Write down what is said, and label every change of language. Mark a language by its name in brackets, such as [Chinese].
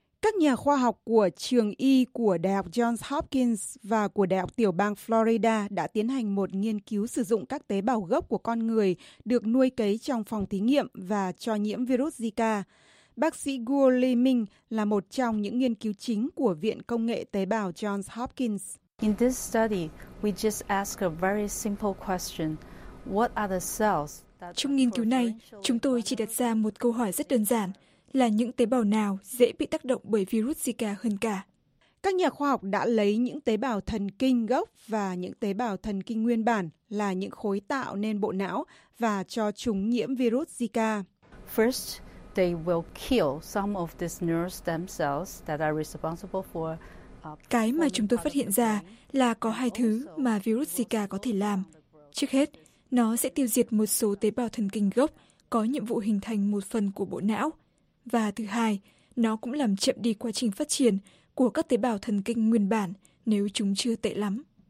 [Vietnamese] Các nhà khoa học của trường y của Đại học Johns Hopkins và của Đại học Tiểu bang Florida đã tiến hành một nghiên cứu sử dụng các tế bào gốc của con người được nuôi cấy trong phòng thí nghiệm và cho nhiễm virus Zika. Bác sĩ Guo Liming là một trong những nghiên cứu chính của Viện Công nghệ Tế bào Johns Hopkins. [English] In this study, we just ask a very simple question. What are the cells? [Vietnamese] Trong nghiên cứu này, chúng tôi chỉ đặt ra một câu hỏi rất đơn giản, là những tế bào nào dễ bị tác động bởi virus Zika hơn cả? Các nhà khoa học đã lấy những tế bào thần kinh gốc và những tế bào thần kinh nguyên bản là những khối tạo nên bộ não và cho chúng nhiễm virus Zika. [English] First, they will kill some of these neural stem cells that are responsible for. [Vietnamese] Cái mà chúng tôi phát hiện ra là có hai thứ mà virus Zika có thể làm. Trước hết, nó sẽ tiêu diệt một số tế bào thần kinh gốc có nhiệm vụ hình thành một phần của bộ não. Và thứ hai, nó cũng làm chậm đi quá trình phát triển của các tế bào thần kinh nguyên bản nếu chúng chưa tệ lắm.